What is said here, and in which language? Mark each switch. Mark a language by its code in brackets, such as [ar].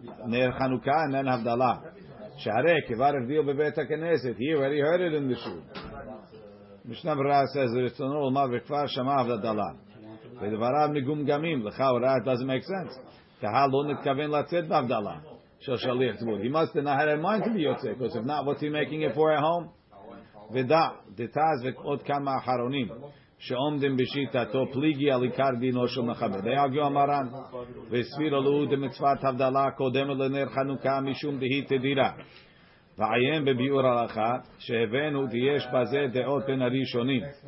[he] נר חנוכה, אין הבדלה. שהרי כבר הבדיל בבית הכנסת, [en] he already heard it in the shul. [he] משנה ברירה says, רצונו לומר, וכבר שמע הבדלה. ודבריו מגומגמים, לך הוראה, [en] it doesn't make sense. [he] קהל לא נתכוון לצאת בהבדלה של שליח ציבור. [en] He must not have a mind to be yotze, because if not, what's he making it for at home? [he] ודע, דתז ועוד כמה אחרונים, שעומדים בשיטתו פליגי על עיקר דינו של מכבד. דהגו אמרן, וסבירו לו דמצוות הבדלה קודמת לנר חנוכה משום דהי תדירה. ועיין בביאור הלכה, שהבאנו דיש בזה דעות בין הראשונים.